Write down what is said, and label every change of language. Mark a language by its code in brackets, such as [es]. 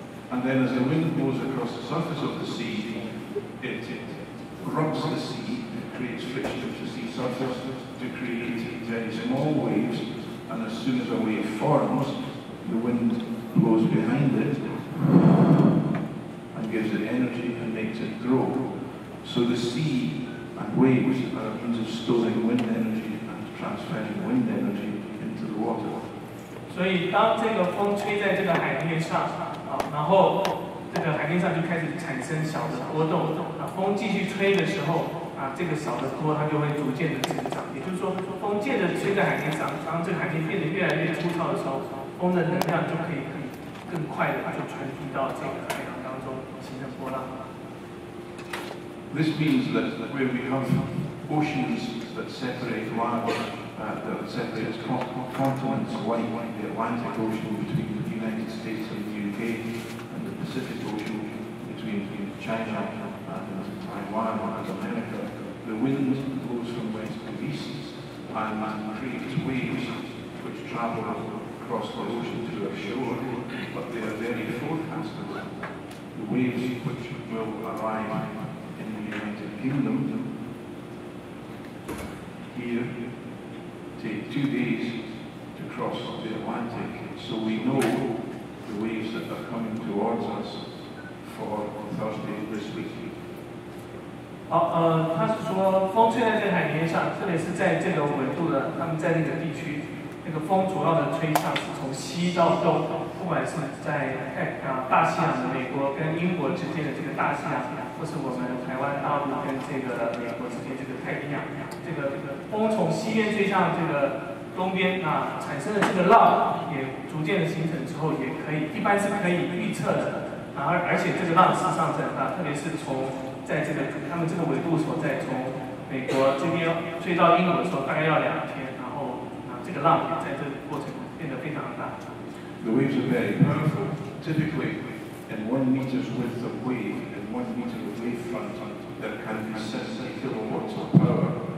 [en] And then as the wind blows across the surface of the sea, it rubs the sea, it creates friction to the sea surface to create very small waves, and as soon as a wave forms, the wind blows behind it and gives it energy and makes it grow. So the sea and waves are a means of storing wind energy and transferring wind energy into the water. [zh] 所以当这个风吹在这个海面上，然后这个海面上就开始产生小的波动，风继续吹的时候，这个小的波它就会逐渐的增长，也就是说风渐渐吹在海面上，当这个海面变得越来越粗糙的时候，风的能量就可以更快的就传递到这个海洋当中形成波浪。 [en] This means that where we have oceans that separate land that separates continents like the Atlantic Ocean between the United States and the UK, and the Pacific Ocean between China and Taiwan and America, the wind blows from west to east and creates waves which travel across the ocean to the shore, but they are very forecastable. The waves which will arrive in the United Kingdom here,take 2 days to cross the Atlantic, so we know the waves that are coming towards us for Thursday this week. [zh] 好，他是说风吹在这海面上，特别是在这个纬度的，他们在那个地区，那个风主要的吹向是从西到东，不管是在大西洋的美国跟英国之间的这个大西洋，或是我们台湾大陆跟这个美国之间这个太平洋。这个风从西边吹向这个东边，产生的这个浪也逐渐的形成之后，也可以一般是可以预测的。而且这个浪是上升的，特别是从在这个他们这个纬度所在，从美国这边吹到英国的时候，大概要2天，然后这个浪也在这个过程变得非常的大。 [en] The waves are very powerful. Typically, in 1 meter's width of wave, in 1 meter of wavefront, there can be 60 kilowatts of power.